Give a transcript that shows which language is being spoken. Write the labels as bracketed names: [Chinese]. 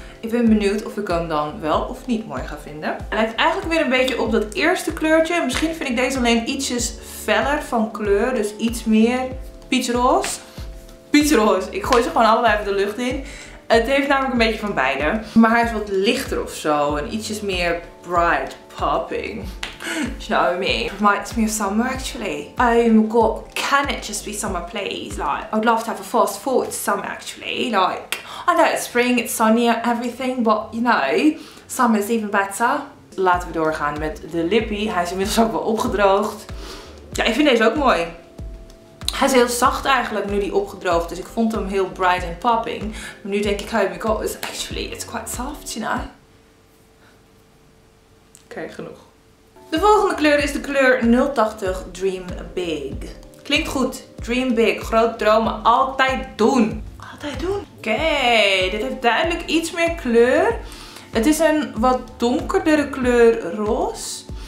[Dutch] Ik ben benieuwd of ik hem dan wel of niet mooi ga vinden. Hij lijkt eigenlijk weer een beetje op dat eerste kleurtje. Misschien vind ik deze alleen ietsjes feller van kleur. Dus iets meer peachroze. Peachroze. Ik gooi ze gewoon allebei even de lucht in. Het heeft namelijk een beetje van beide. Maar hij is wat lichter of zo. En ietsjes meer bright popping. [English] You know what I mean? Reminds me of summer actually. Oh my god, can it just be summer please? Like, I'd love to have a fast forward to summer actually. Like, I know it's spring, it's sunny and everything, but you know, summer is even better. [Dutch] Laten we doorgaan met de lippy. Hij is inmiddels ook wel opgedroogd. Ja, ik vind deze ook mooi. Hij is heel zacht eigenlijk nu die opgedroogd is. Ik vond hem heel [English] bright and popping. [Dutch] Maar nu denk ik, [English] oh my god, it's quite soft, you know? [Dutch] Oké, genoeg. De volgende kleur is de kleur 080 Dream Big. Klinkt goed. Dream Big. Groot dromen. Altijd doen. Altijd doen. Oké. Dit heeft duidelijk iets meer kleur. Het is een wat donkerdere kleur roze.